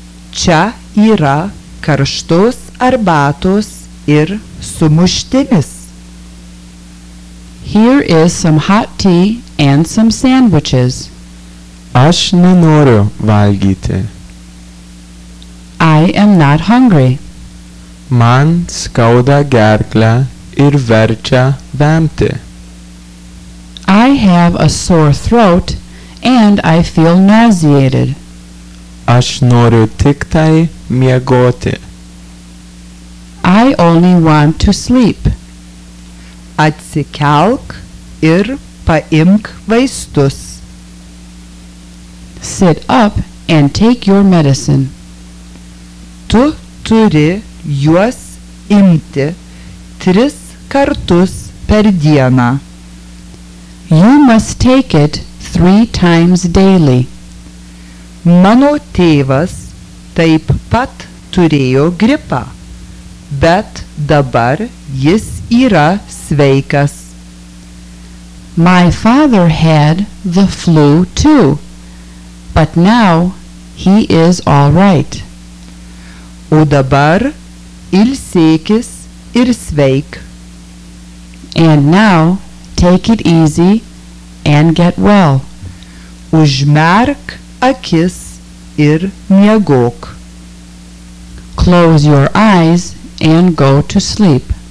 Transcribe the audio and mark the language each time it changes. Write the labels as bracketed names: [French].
[Lithuanian] Čia yra karštos arbatos ir sumuštinis. [English] Here is some hot tea and some sandwiches. [Lithuanian] Aš nenoriu valgyti. [English] I am not hungry. [Lithuanian] Man skauda gerklę ir verčia vemti. [English] I have a sore throat and I feel nauseated. [Lithuanian] Aš noriu tik tai miegoti. [English] I only want to sleep. [Lithuanian] Atsikelk ir paimk vaistus. [English] Sit up and take your medicine. [Lithuanian] Tu turi juos imti 3 kartus per dieną. [English] You must take it 3 times daily. [Lithuanian] Mano tėvas taip pat turėjo gripą, bet dabar jis yra sveikas. [English] My father had the flu too, but now he is all right. [Lithuanian] O dabar ilsėkis ir sveik. [English] And now take it easy and get well. [Lithuanian] Užmerk akis ir miegok. [English] Close your eyes and go to sleep.